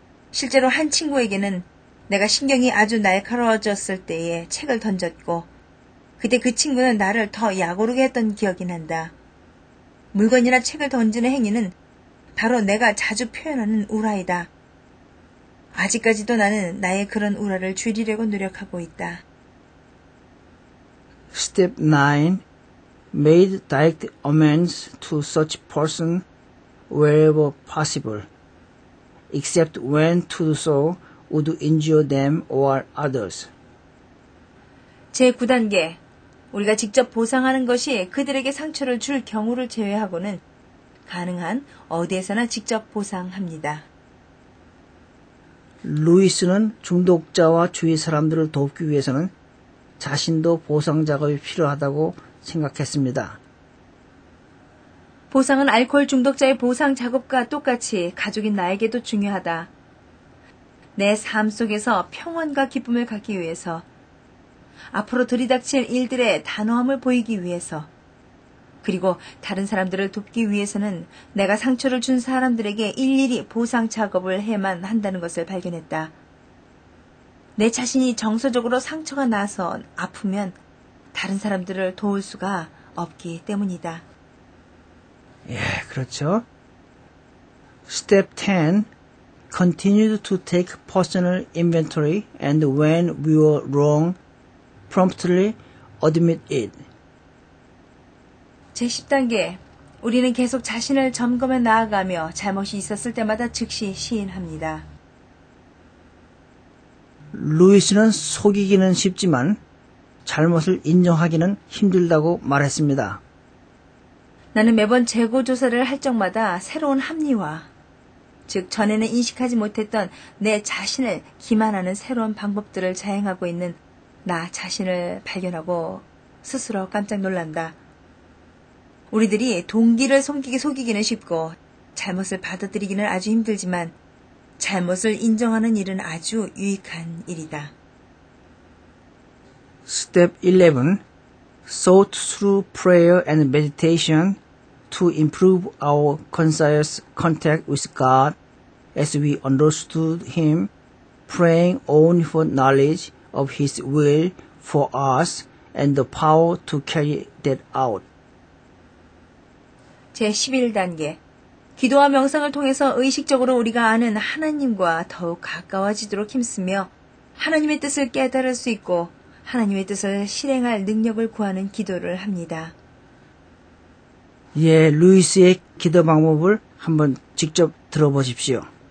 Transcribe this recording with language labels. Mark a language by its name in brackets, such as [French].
[Korean] 실제로 한 친구에게는 내가 신경이 아주 날카로워졌을 때에 책을 던졌고 그때 그 친구는 나를 더 약오르게 했던 기억이 난다. 물건이나 책을 던지는 행위는 바로 내가 자주 표현하는 우라이다. 아직까지도 나는 나의 그런 우라를 줄이려고 노력하고 있다. [English] Step 9. Made direct amends to such person wherever possible, except when to do so would injure them or others. [Korean] 제9단계. 우리가 직접 보상하는 것이 그들에게 상처를 줄 경우를 제외하고는 가능한 어디에서나 직접 보상합니다. 루이스는 중독자와 주위 사람들을 돕기 위해서는 자신도 보상 작업이 필요하다고 생각했습니다. 보상은 알코올 중독자의 보상 작업과 똑같이 가족인 나에게도 중요하다. 내 삶 속에서 평안과 기쁨을 갖기 위해서, 앞으로 들이닥칠 일들의 단호함을 보이기 위해서, 그리고 다른 사람들을 돕기 위해서는 내가 상처를 준 사람들에게 일일이 보상 작업을 해야만 한다는 것을 발견했다. 내 자신이 정서적으로 상처가 나서 아프면 다른 사람들을 도울 수가 없기 때문이다. 예, 그렇죠. [English] Step 10. Continued to take personal inventory and when we were wrong, promptly admit it. [Korean] 제10단계. 우리는 계속 자신을 점검해 나아가며 잘못이 있었을 때마다 즉시 시인합니다. 루이스는 속이기는 쉽지만 잘못을 인정하기는 힘들다고 말했습니다. 나는 매번 재고 조사를 할 적마다 새로운 합리화, 즉 전에는 인식하지 못했던 내 자신을 기만하는 새로운 방법들을 자행하고 있는 나 자신을 발견하고 스스로 깜짝 놀란다. 우리들이 동기를 속이기는 쉽고 잘못을 받아들이기는 아주 힘들지만 잘못을 인정하는 일은 아주 유익한 일이다. [English] 스텝 11. Thought through prayer and meditation to improve our conscious contact with God as we understood Him, praying only for knowledge of His will for us and the power to carry that out. [Korean] 제11단계. 기도와 명상을 통해서 의식적으로 우리가 아는 하나님과 더욱 가까워지도록 힘쓰며 하나님의 뜻을 깨달을 수 있고 하나님의 뜻을 실행할 능력을 구하는 기도를 합니다. 예, 루이스의 기도 방법을 한번 직접 들어보십시오.